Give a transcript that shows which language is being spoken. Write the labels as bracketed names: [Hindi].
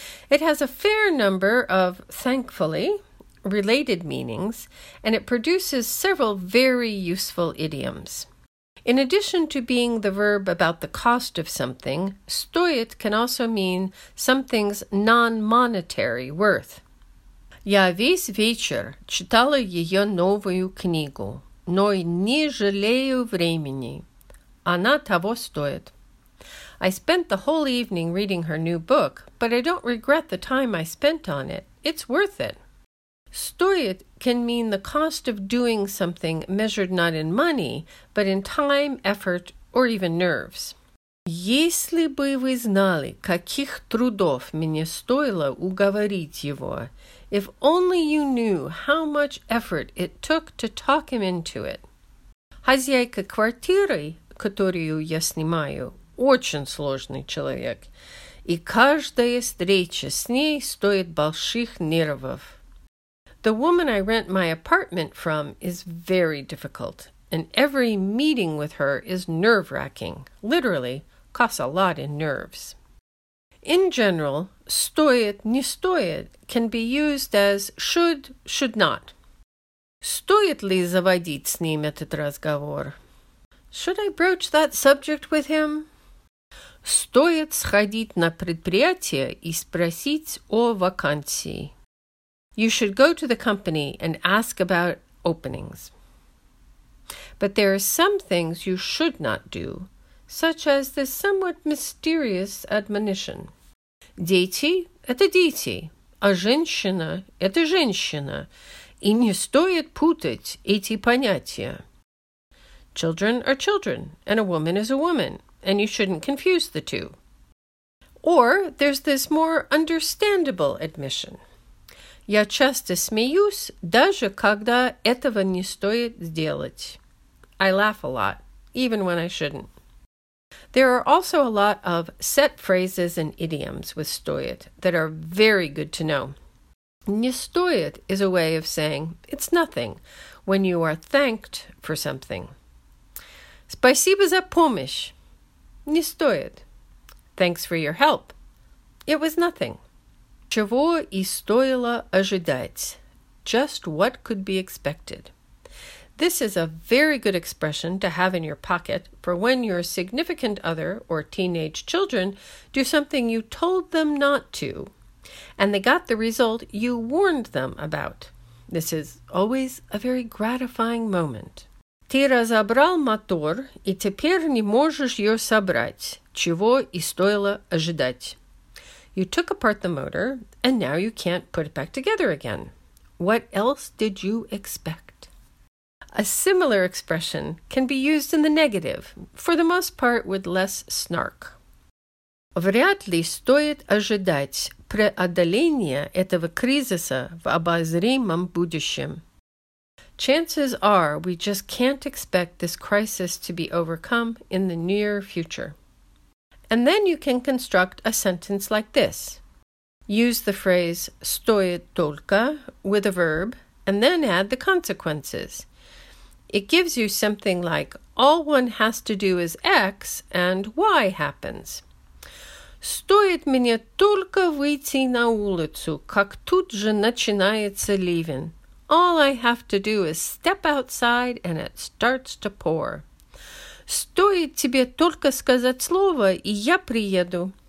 [English] It has a fair number of, thankfully, related meanings, and it produces several very useful idioms. In addition to being the verb about the cost of something, stoit can also mean something's non-monetary worth. [Russian] Я весь вечер читала ее новую книгу, но не жалею времени. Она того стоит. [English] I spent the whole evening reading her new book, but I don't regret the time I spent on it. It's worth it. Стоит can mean the cost of doing something measured not in money, but in time, effort, or even nerves. [Russian] Если бы вы знали, каких трудов мне стоило уговорить его, [English] if only you knew how much effort it took to talk him into it. [Russian] Хозяйка квартиры, которую я снимаю, очень сложный человек, и каждая встреча с ней стоит больших нервов. [English] The woman I rent my apartment from is very difficult, and every meeting with her is nerve-wracking, literally, costs a lot in nerves. In general, стоит, не стоит can be used as should not. [Russian] Стоит ли заводить с ним этот разговор? [English] Should I broach that subject with him? [Russian] Стоит сходить на предприятие и спросить о вакансии. [English] You should go to the company and ask about openings. But there are some things you should not do, such as this somewhat mysterious admonition. [Russian] Дети – это дети, а женщина – это женщина, и не стоит путать эти понятия. [English] Children are children, and a woman is a woman, and you shouldn't confuse the two. Or there's this more understandable admission. [Russian] Я часто смеюсь, даже когда этого не стоит сделать. [English] I laugh a lot, even when I shouldn't. There are also a lot of set phrases and idioms with стоит that are very good to know. Не стоит is a way of saying it's nothing when you are thanked for something. [Russian] Спасибо за помощь. Не стоит. [English] Thanks for your help. It was nothing. [Russian] Чего и стоило ожидать? [English] Just what could be expected. This is a very good expression to have in your pocket for when your significant other or teenage children do something you told them not to, and they got the result you warned them about. This is always a very gratifying moment. [Russian] Ты разобрал мотор, и теперь не можешь ее собрать. Чего и стоило ожидать. [English] You took apart the motor, and now you can't put it back together again. What else did you expect? A similar expression can be used in the negative, for the most part with less snark. [Russian] Вряд ли стоит ожидать преодоления этого кризиса в обозримом будущем. [English] Chances are we just can't expect this crisis to be overcome in the near future. And then you can construct a sentence like this. Use the phrase «стоит только» with a verb, and then add the consequences. It gives you something like «all one has to do is X» and «Y» happens. [Russian] «Стоит мне только выйти на улицу, как тут же начинается ливень». [English] All I have to do is step outside and it starts to pour. [Russian] «Стоит тебе только сказать слово, и я приеду».